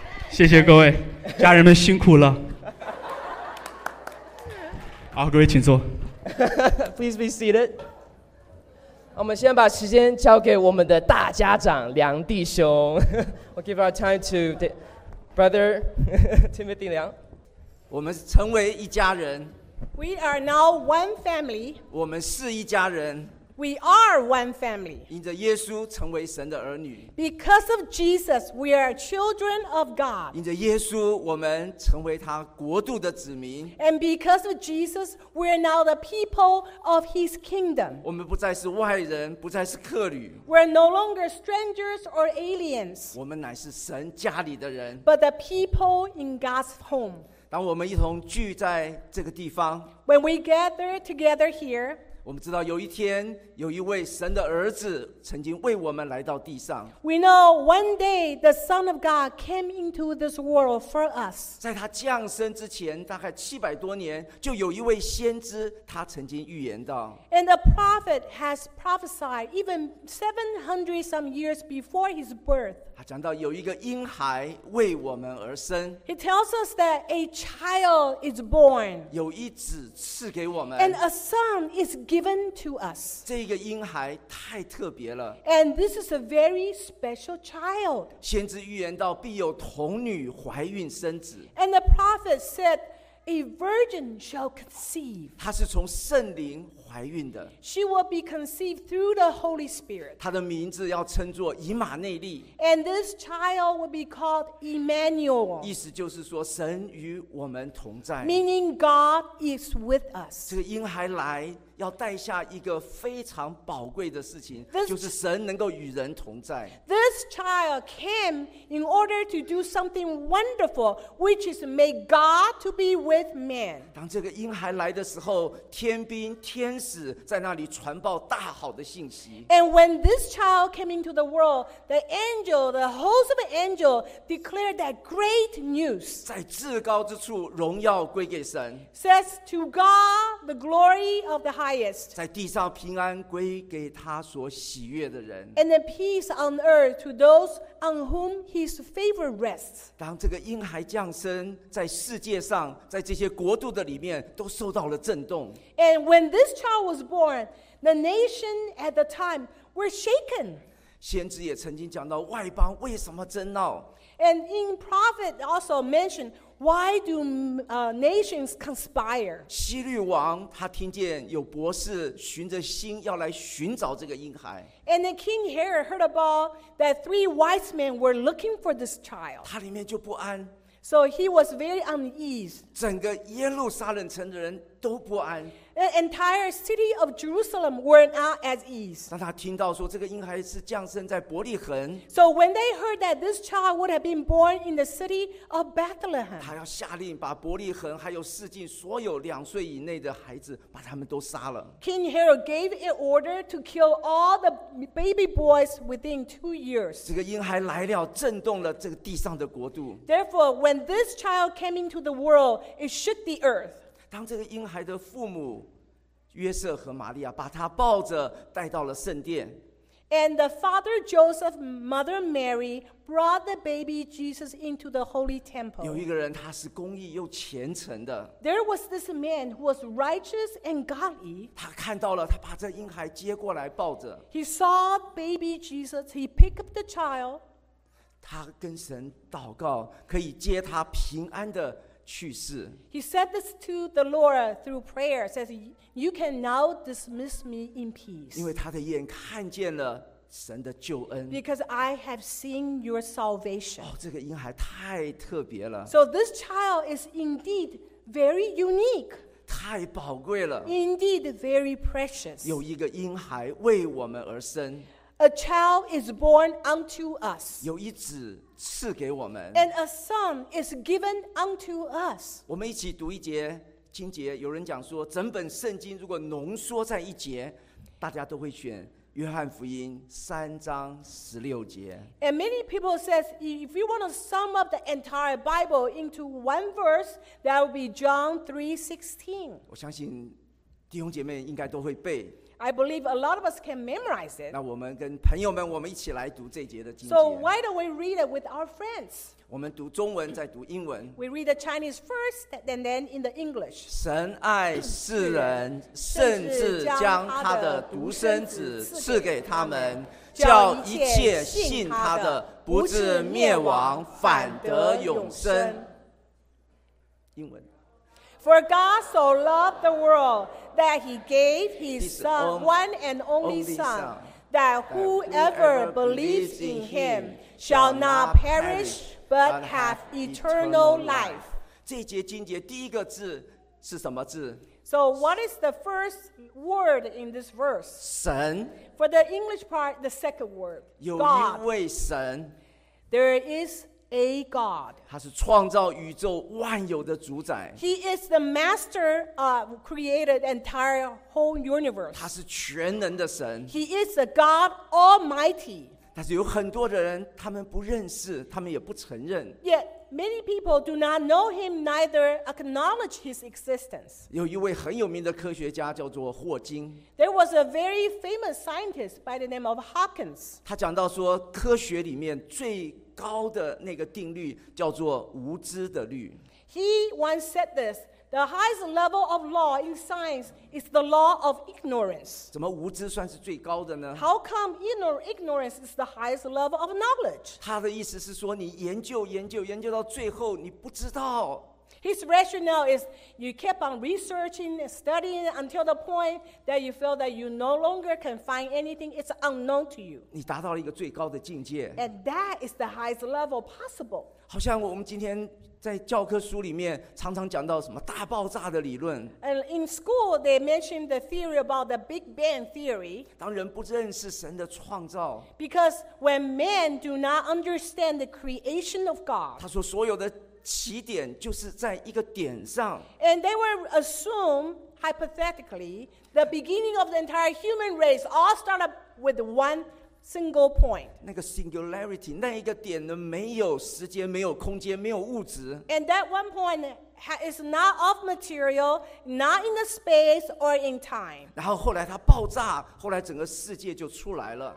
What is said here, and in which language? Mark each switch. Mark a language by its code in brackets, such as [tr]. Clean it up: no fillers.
[zh] 谢谢各位家人们辛苦了。好，各位请坐。 [en] Please be seated. [zh] 我们先把时间交给我们的大家长梁弟兄。 [en] We'll give our time to the brother Timothy Liang. [zh] 我们成为一家人。 [en] We are now one family. [zh] 我们是一家人。 [en] We are one family. [zh] 因着耶稣成为神的儿女。 [en] Because of Jesus, we are children of God. [zh] 因着耶稣，我们成为他国度的子民。 [en] And because of Jesus, we are now the people of His kingdom. [zh] 我们不再是外人，不再是客旅。 [en] We are no longer strangers or aliens. [zh] 我们乃是神家里的人。 [en] But the people in God's home. [zh] 当我们一同聚在这个地方。 [en] When we gather together here. [zh] 我们知道有一天有一位神的儿子曾经为我们来到地上。 [en] We know one day the Son of God came into this world for us. [zh] 在他降生之前大概700多年就有一位先知他曾经预言到。 [en] And a prophet has prophesied even 700 some years before his birth. [zh] 他讲到有一个婴孩为我们而生。 [en] He tells us that a child is born. [zh] 有一子赐给我们。 [en] And a son is given to us. [zh] 这个婴孩太特别了。 [en] And this is a very special child. [zh] 先知预言到必有童女怀孕生子。 [en] And the prophet said a virgin shall conceive. [zh] 她是从圣灵怀孕的。 [en] She will be conceived through the Holy Spirit. [zh] 她的名字要称作以马内利。 [en] And this child will be called Emmanuel. [zh] 意思就是说神与我们同在。 [en] Meaning God is with us. [zh] 这个婴孩来要带下一个非常宝贵的事情，就是神能够与人同在。 [en] This child came in order to do something wonderful, which is make God to be with man. [zh] 当这个婴孩来的时候，天兵天使在那里传报大好的信息。 [en] And when this child came into the world, the angel, the host of angels, declared that great news. [zh] 在至高之处，荣耀归给神。 [en] Says to God, the glory of the high. [zh] 在地上平安归给他所喜悦的人。 [en] And the peace on earth to those on whom his favor rests. [zh] 当这个婴孩降生在世界上，在这些国度的里面都受到了震动。 [en] And when this child was born, the nation at the time were shaken. [zh] 先知也曾经讲到外邦为什么争闹。 [en] And in prophet also mentioned,Why do nations conspire? [zh] 希律王他听见有博士循着星要来寻找这个婴孩。 [en] And the king Herod heard about that three wise men were looking for this child. [zh] 他里面就不安。 [en] So he was very uneasy. [zh] 整个耶路撒冷城的人都不安。 [en] The entire city of Jerusalem were not at ease. [zh] 当他听到说这个婴孩是降生在伯利恒。 [en] So when they heard that this child would have been born in the city of Bethlehem. [zh] 他要下令把伯利恒还有市井所有两岁以内的孩子把他们都杀了。 [en] King Herod gave an order to kill all the baby boys within 2 years. [zh] 这个婴孩来了震动了这个地上的国度。 [en] Therefore, when this child came into the world, it shook the earth. [zh] 当这个婴孩的父母约瑟和玛利亚把他抱着带到了圣殿。 [en] And the father Joseph, mother Mary, brought the baby Jesus into the holy temple. [zh] 有一个人他是公义又虔诚的。 [en] There was this man who was righteous and godly. [zh] 他看到了，他把这婴孩接过来抱着。 [en] He saw baby Jesus. He picked up the child. [zh] 他跟神祷告，可以接他平安的去世。 [en] He said this to the Lord through prayer. Says, "You can now dismiss me in peace." [zh] 因为他的眼看见了。神的救恩 [en] Because I have seen your salvation. [zh] 哦，这个婴孩太特别了。 [en] So this child is indeed very unique. [zh] 太宝贵了。 [en] Indeed very precious. [zh] 有一个婴孩为我们而生。 [en] A child is born unto us. [zh] 有一子赐给我们。 [en] And a son is given unto us. [zh] 我们一起读一节经节，有人讲说，整本圣经如果浓缩在一节，大家都会选。约翰福音三章十六节。 [en] And many people says if you want to sum up the entire Bible into one verse, that would be John 3:16. [zh] 我相信弟兄姐妹应该都会背。 [en] I believe a lot of us can memorize it. [zh] 那我们跟朋友们，我们一起来读这节的经节。 [en] So why don't we read it with our friends? [zh] 我们读中文，再读英文。 [en] We read the Chinese first, and then in the English. [zh] 神爱世人，甚至将他的独生子赐给他们，叫一切信他的不至灭亡，反得永生。英文。 [en] For God so loved the world that he gave his son, one and only son, that whoever believes in him shall not perish, but have eternal life. [zh] 这节经节第一个字是什么字? [en] So what is the first word in this verse? [zh] 神。 [en] For the English part, the second word, God. [zh] 有一位神。 [en] There is A God. [zh] 他是创造宇宙万有的主宰。 [en] He is the master who created entire whole universe. [zh] 他是全能的神。 [en] He is a God Almighty. [zh] 但是有很多的人，他们不认识，他们也不承认。 [en] Yet many people do not know him, neither acknowledge his existence. [zh] 有一位很有名的科学家叫做霍金。 [en] There was a very famous scientist by the name of Hawkins. [zh] 他讲到说，科学里面最高的那个定律叫做无知的律。 [en] He once said this, the highest level of law in science is the law of ignorance. [zh] 怎么无知算是最高的呢? [en] How come ignorance is the highest level of knowledge? [zh] 他的意思是说，你研究研究研究到最后，你不知道。 [en] His rationale is you keep on researching and studying until the point that you feel that you no longer can find anything. It's unknown to you. [zh] 你达到了一个最高的境界。 [en] And that is the highest level possible. [zh] 好像我们今天在教科书里面常常讲到什么大爆炸的理论。 [en] And in school, they mentioned the theory about the Big Bang theory. [zh] 当人不认识神的创造。 [en] Because when men do not understand the creation of God. [zh] 他说所有的起点就是在一个点上。 [en] And they will assume, hypothetically, the beginning of the entire human race all started with one single point. [zh] 那个 singularity, 那一个点呢，没有时间，没有空间，没有物质。 [en] And that one point is not of material, not in the space or in time. [zh] 然后后来它爆炸，后来整个世界就出来了。